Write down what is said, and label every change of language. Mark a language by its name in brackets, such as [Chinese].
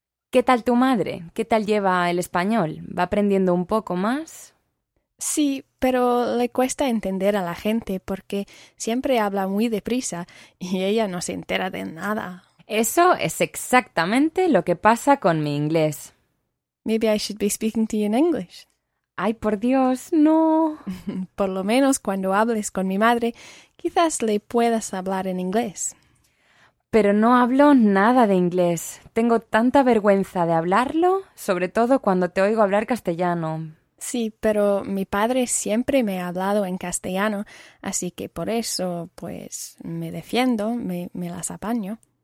[Spanish] ¿Qué tal tu madre? ¿Qué tal lleva el español? ¿Va aprendiendo un poco más? Sí, pero le cuesta entender a la gente porque siempre habla muy deprisa y ella no se entera de nada. Eso es exactamente lo que pasa con mi inglés. [English] Maybe I should be speaking to you in English. [Spanish] ¡Ay, por Dios, no! Por lo menos cuando hables con mi madre, quizás le puedas hablar en inglés. Pero no hablo nada de inglés. Tengo tanta vergüenza de hablarlo, sobre todo cuando te oigo hablar castellano. Sí, pero mi padre siempre me ha hablado en castellano, así que por eso, pues, me defiendo, me las apaño.